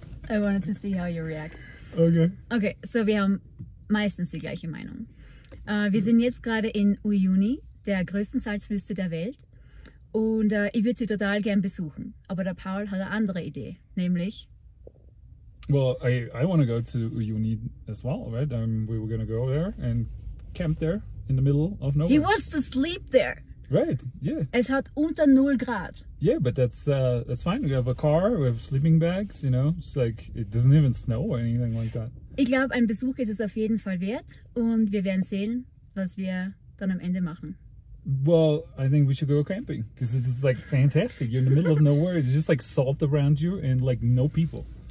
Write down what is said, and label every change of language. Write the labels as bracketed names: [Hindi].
[English] I wanted to see how you react. Okay. [German] Okay, so wir haben meistens die gleiche Meinung. Wir sind jetzt gerade in Uyuni, der größten Salzwüste der Welt. Und ich würde sie total gern besuchen. Aber der Paul hat eine andere Idee, nämlich... [English] Well, I want to go to Uyuni as well, right? We were going to go there and camp there in the middle of nowhere. He wants to sleep there. Right, yeah. [German] Es hat unter 0 Grad. [English] Yeah, but that's fine. We have a car, we have sleeping bags, you know. It's like, it doesn't even snow or anything like that. [German] Ich glaube, ein Besuch ist es auf jeden Fall wert. Und wir werden sehen, was wir dann am Ende machen. [English] Well, I think we should go camping. Because it is like fantastic. You're in the middle of nowhere. It's just like salt around you and like no people.